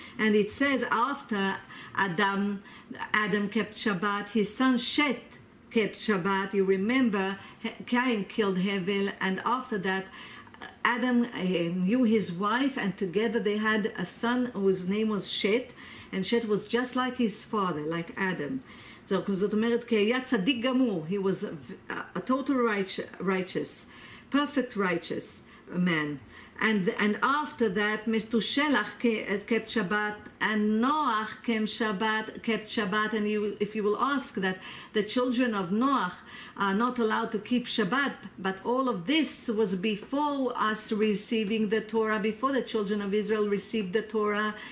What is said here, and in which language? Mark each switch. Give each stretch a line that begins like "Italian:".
English: And it says after Adam kept Shabbat, his son Shet kept Shabbat. You remember Cain killed Hevel, and after that Adam knew his wife, and together they had a son whose name was Shet, and Shet was just like his father, like Adam.
Hebrew: זאת אומרת, כי היה צדיק גמור.
English: He was a total righteous, perfect righteous man. And after that, Metushelach kept Shabbat, and Noach kept Shabbat. And if you will ask that, the children of Noach are not allowed to keep Shabbat, but all of this was before us receiving the Torah, before the children of Israel received the Torah.